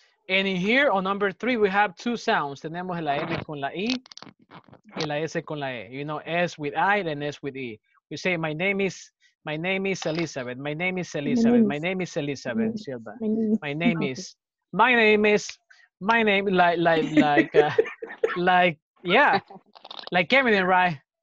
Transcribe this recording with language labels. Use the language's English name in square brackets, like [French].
[English] And in here, on number three, we have two sounds. [Spanish] Tenemos la M con la I y la S con la E. [English] You know, S with I and S with E. We say, my name is Elizabeth, like Eminem, right?